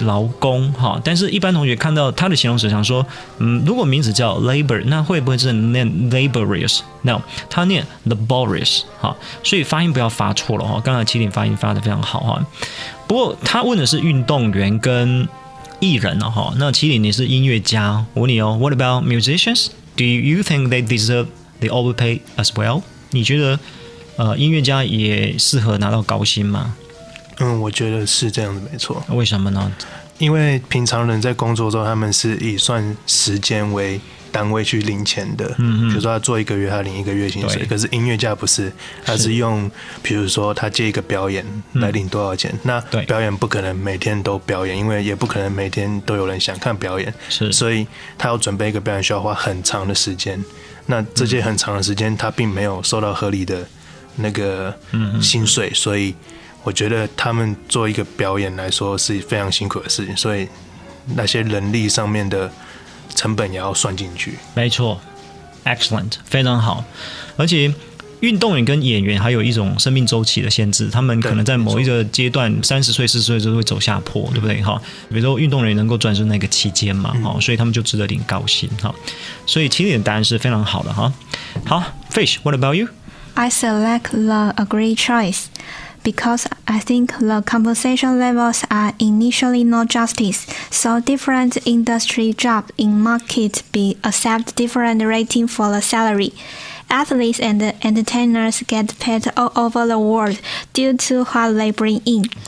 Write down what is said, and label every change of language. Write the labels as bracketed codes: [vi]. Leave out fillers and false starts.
[zh] 劳工哈，但是一般同学看到它的形容词，想说，如果名字叫 labor， 那会不会是念 laborious？ No， 它念 laborious 哈，所以发音不要发错了哈。刚才麒麟发音发得非常好哈，不过他问的是运动员跟艺人了哈。那麒麟你是音乐家，我问你哦 ， [en] What about musicians？ Do you think they deserve the overpay as well？ [zh] 你觉得音乐家也适合拿到高薪吗？我觉得是这样子，没错。为什么呢？因为平常人在工作中，他们是以算时间为单位去领钱的。比如说他做一个月，他领一个月薪水。可是音乐家不是，他是用，比如说他接一个表演来领多少钱。那表演不可能每天都表演，因为也不可能每天都有人想看表演。所以他要准备一个表演，需要花很长的时间。那这些很长的时间，他并没有受到合理的那个薪水，所以。我觉得他们做一个表演来说是非常辛苦的事情，所以那些人力上面的成本也要算进去。没错 ，excellent， 非常好。而且运动员跟演员还有一种生命周期的限制，他们可能在某一个阶段，30岁、40岁就会走下坡，对不对？比如说运动员能够专注那个期间嘛，所以他们就值得领高薪。所以其实你的答案是非常好的。好， [en] Fish, what about you? I select the agreed choice because I think the compensation levels are initially not justice, so different industry jobs in market be accept different rating for the salary. Athletes and entertainers get paid all over the world due to what they bring in.